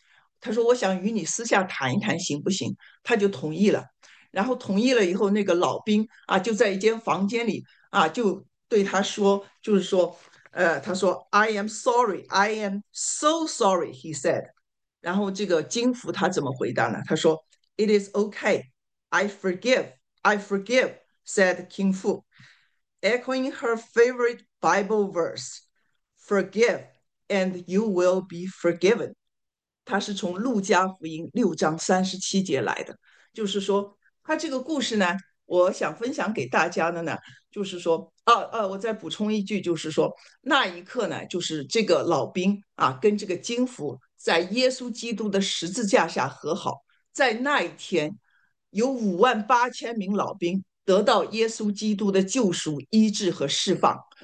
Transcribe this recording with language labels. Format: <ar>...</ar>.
<zh>”他说：“我想与你私下谈一谈，行不行？” 他就同意了。然后同意了以后，那个老兵啊就在一间房间里啊就对他说，就是说，他说：</zh> <en>“I am sorry, I am so sorry。 ”He said。</en> <zh>然后这个金福他怎么回答呢？他说。</zh> <en>It is okay, I forgive," said King Fu, echoing her favorite Bible verse, "Forgive, and you will be forgiven."</en> <zh>它是从《路加福音》6章37节来的，就是说，它这个故事呢，我想分享给大家的呢，就是说，我再补充一句，就是说，那一刻呢，就是这个老兵啊，跟这个金服在耶稣基督的十字架下和好，在那一天，有58000名老兵得到耶稣基督的救赎、医治和释放。</zh>